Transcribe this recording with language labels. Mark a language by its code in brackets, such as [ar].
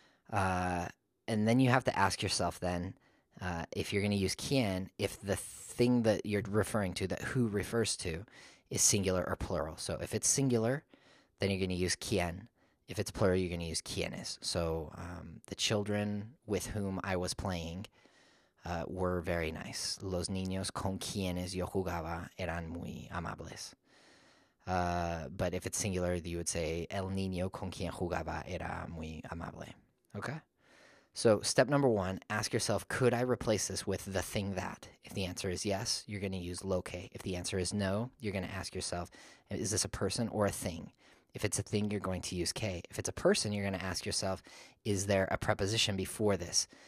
[en] And then you have to ask yourself then, if you're going to use quien, if the thing that you're referring to, that who refers to, is singular or plural. So if it's singular, then you're going to use quien. If it's plural, you're going to use quienes. So the children with whom I was playing were very nice. [es] Los niños con quienes yo jugaba eran muy amables. [en] But if it's singular, you would say [es] el niño con quien jugaba era muy amable. [en] Okay? So step number one, ask yourself, could I replace this with the thing that? If the answer is yes, you're going to use lo que. If the answer is no, you're going to ask yourself, is this a person or a thing? If it's a thing, you're going to use que. If it's a person, you're going to ask yourself, is there a preposition before this?